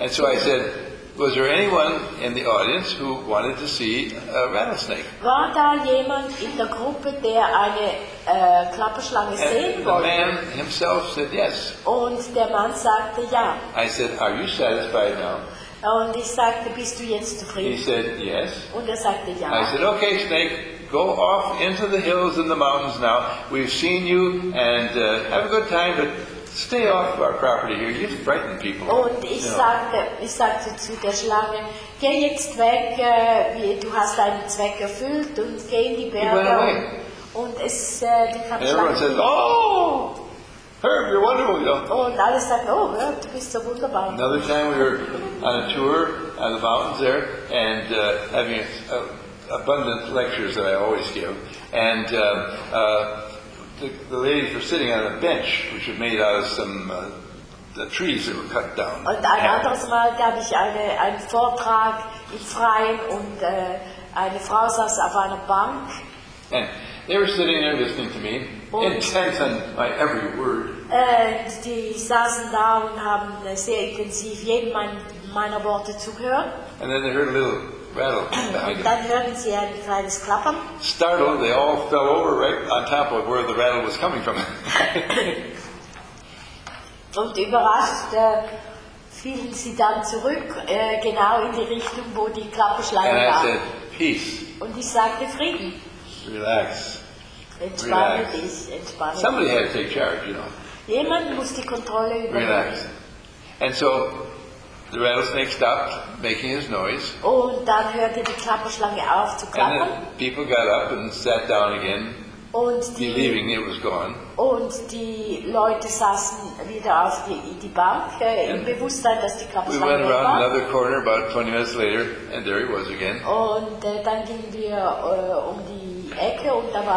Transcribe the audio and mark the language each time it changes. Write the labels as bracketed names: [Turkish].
[English] And so I said, was there anyone in the audience who wanted to see a rattlesnake? [German] War da jemand in der Gruppe, der eine Klapperschlange [English] and [German] sehen [English] the [German] wollte? [English] Man himself said yes. [German] Und der Mann sagte ja. [English] I said, are you satisfied now? [German] Und ich sagte, bist du jetzt zufrieden? [English] He said, yes. [German] Und er sagte, ja. [English] I said, okay, snake, go off into the hills and the mountains now. We've seen you and have a good time, but stay off of our property here. You frighten people. [German] Und ich sagte zu der Schlange, geh jetzt weg, du hast deinen Zweck erfüllt und geh in die Berge. [English] He went away. [German] Und [English] everyone says, oh! Herb, you're wonderful. [German] Und alles sagt, oh, Herb, du bist so wunderbar. [English] Another time we were on a tour on the mountains there and having abundant lectures that I always give. And the ladies were sitting on a bench, which was made out of some the trees that were cut down. [German] Und ein anderes Mal gab ich einen Vortrag im Freien und eine Frau saß auf einer Bank. [English] And they were sitting there listening to me, intent on my every word. [German] Und die saßen da und haben sehr intensiv jedem meiner Worte zugehört. [English] And then they heard a little rattle behind them. [German] Dann hörten sie ein kleines Klappern. [English] Startled, they all fell over right on top of where the rattle was coming from. [German] Und überrascht fielen sie dann zurück, genau in die Richtung, wo die Klapperschlange war. [English] And I said, peace. [German] Und ich sagte, Frieden. [English] Relax. [German] Entspanne dich. [English] Somebody had to take charge, you know. [German] Jemand muss die Kontrolle übernehmen. [English] Relax. And so the rattlesnake stopped making his noise. [German] Und dann hörte die Klapperschlange auf zu klappern. [English] And then people got up and sat down again, believing it was gone. [German] Und die Leute saßen wieder auf die Bank, im Bewusstsein, dass die Klapperschlange war. [English] We went around [German] war. [English] Another corner about 20 minutes later, and there it was again. [German] Und dann gingen wir um die Ecke und da war